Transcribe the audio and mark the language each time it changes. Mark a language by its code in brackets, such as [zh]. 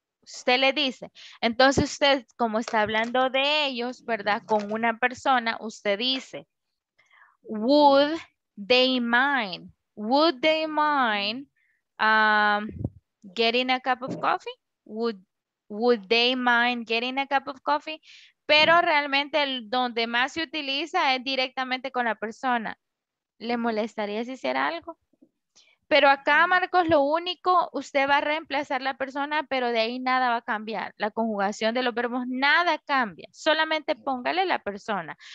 [es] Usted le dice, entonces usted como está hablando de ellos, ¿verdad? Con una persona, usted dice, [en] would they mind getting a cup of coffee? Would they mind getting a cup of coffee? [es] Pero realmente el donde más se utiliza es directamente con la persona. ¿Le molestaría si hiciera algo? Pero acá, Marcos, lo único, usted va a reemplazar la persona, pero de ahí nada va a cambiar. La conjugación de los verbos, nada cambia. Solamente póngale la persona.